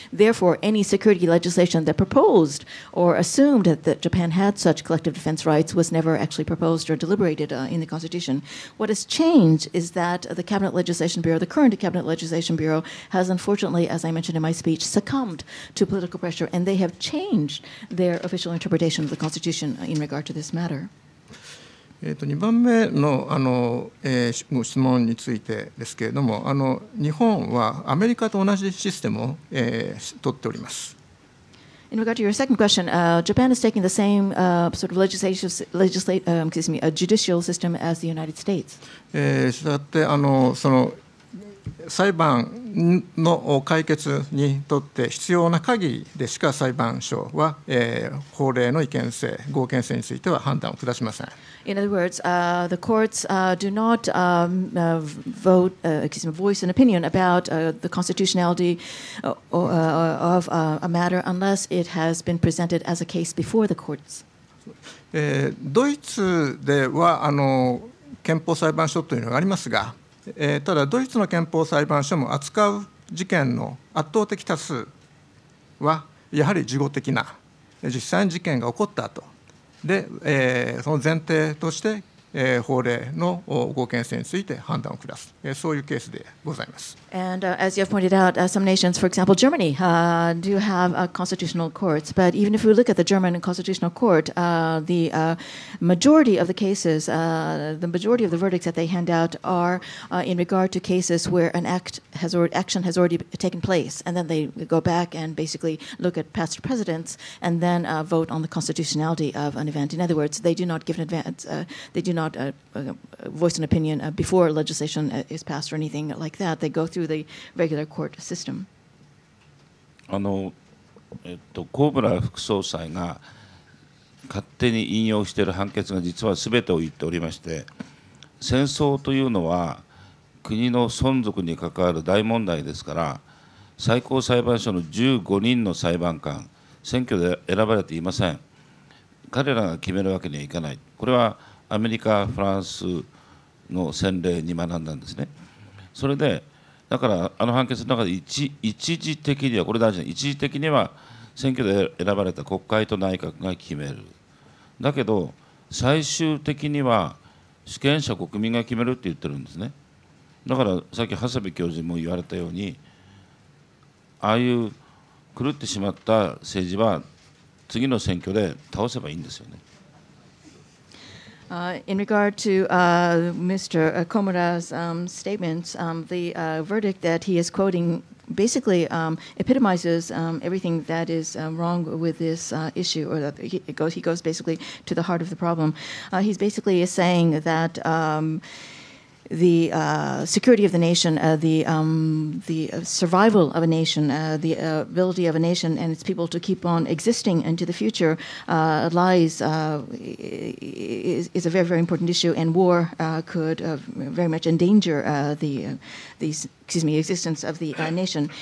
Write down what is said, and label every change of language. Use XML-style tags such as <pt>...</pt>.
<en>Therefore, any security legislation that proposed or assumed that Japan had such collective defense rights was never actually proposed or deliberated in the Constitution. What has changed is that the Cabinet Legislation Bureau, the current Cabinet Legislation Bureau, has unfortunately, as I mentioned in my speech, succumbed to political pressure, and they have changed their official interpretation of the Constitution in regard to this matter.</en> <ja>2番目 の, ご質問についてですけれども、日本はアメリカと同じシステムを、取っております。</ja> <en>In regard to your second question, Japan is taking the same sort of judicial system as the United States.</en> <ja>したがって、その裁判の解決にとって必要な限りでしか裁判所は、法令の違憲性、合憲性については判断を下しません。</ja> <en>In other words, the courts do not vote, voice an opinion about the constitutionality of a matter unless it has been presented as a case before the courts.</en> <ja>ドイツでは憲法裁判所というのがありますが、ただドイツの憲法裁判所も扱う事件の圧倒的多数はやはり事後的な、実際に事件が起こった後で、その前提として、法令の合憲性について判断を下す、そういうケースでございます。</ja> <en>And as you have pointed out, some nations, for example, Germany, do have constitutional courts. But even if we look at the German constitutional court, the majority of the cases, the majority of the verdicts that they hand out are in regard to cases where action has already taken place. And then they go back and basically look at past precedents and then vote on the constitutionality of an event. In other words, they do not give an advance, they do not voice an opinion before legislation is passed or anything like that. They go through the regular court system.</en> <ja>コブラ副総裁が勝手に引用している判決が実は全てを言っておりまして、戦争というのは国の存続に関わる大問題ですから、最高裁判所の15人の裁判官、選挙で選ばれていません。彼らが決めるわけにはいかない。これはアメリカ、フランス、の洗礼に学んだんですね。それでだからあの判決の中で 一時的にはこれ大事な、一時的には選挙で選ばれた国会と内閣が決める、だけど最終的には主権者国民が決めるって言ってるんですね。だからさっき長谷部教授も言われたように、ああいう狂ってしまった政治は次の選挙で倒せばいいんですよね。</ja> <en>In regard to Mr. Komura's statements, the verdict that he is quoting basically epitomizes everything that is wrong with this issue, or that he goes basically to the heart of the problem. He's basically saying that the security of the nation, the survival of a nation, the ability of a nation and its people to keep on existing into the future lies is a very, very important issue, and war could very much endanger existence of the nation.</en>